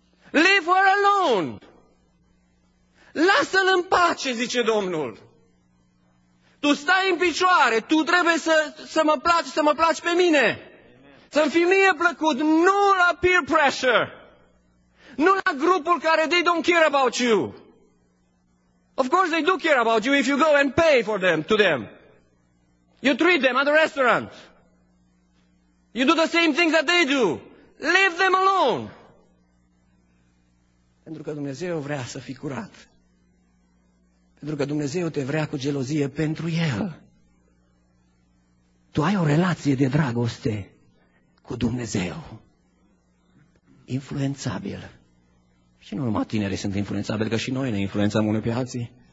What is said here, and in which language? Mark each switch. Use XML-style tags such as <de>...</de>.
<en>Leave her alone!</en> <ro>Lasă-l în pace, zice Domnul. Tu stai în picioare, tu trebuie să mă placi, să mă placi pe mine. Să-mi fii mie plăcut, nu la peer pressure. Nu la grupul care</ro> <en>they don't care about you. Of course they do care about you if you go and pay for them, to them. You treat them at the restaurant. You do the same things that they do. Leave them alone.</en> <ro>Pentru că Dumnezeu vrea să fii curat. Pentru că Dumnezeu te vrea cu gelozie pentru El. Tu ai o relație de dragoste cu Dumnezeu. Influențabil. Și nu numai tinerii sunt influențabili, că și noi ne influențăm unii pe alții.</ro>